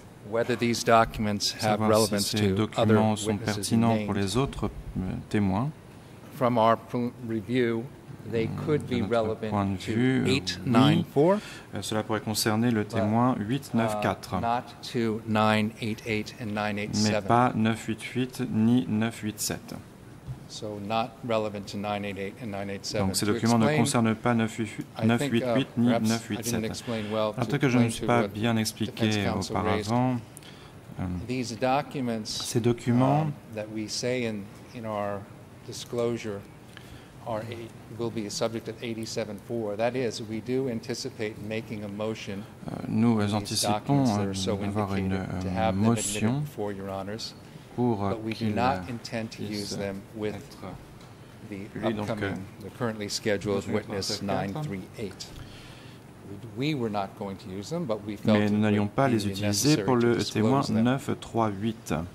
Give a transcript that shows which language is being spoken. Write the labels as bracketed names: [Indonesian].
[English] Whether these documents have relevance to other witnesses. [French] Ces documents sont pertinents pour les autres témoins. [English] From our review. They could be relevant to 894. [French] Cela pourrait concerner le témoin 894. [English] Not to 988 and 987. [French] Mais pas 988 ni 987. [English] So not relevant to 988 and 987. [French] Donc ces documents ne concernent pas 988 ni 987. Peut-être que je ne suis pas bien expliqué auparavant. Ces documents [English] that we say in our disclosure are will be a subject of 874. That is, we do anticipate making a motion. [French] Nous anticipons avoir une motion [English] for your honors, [French] pour [English] but we do not intend to use them with the upcoming, the currently scheduled witness 938. We were not going to use them, but we felt [French] mais nous n'allions pas les utiliser pour le témoin 938.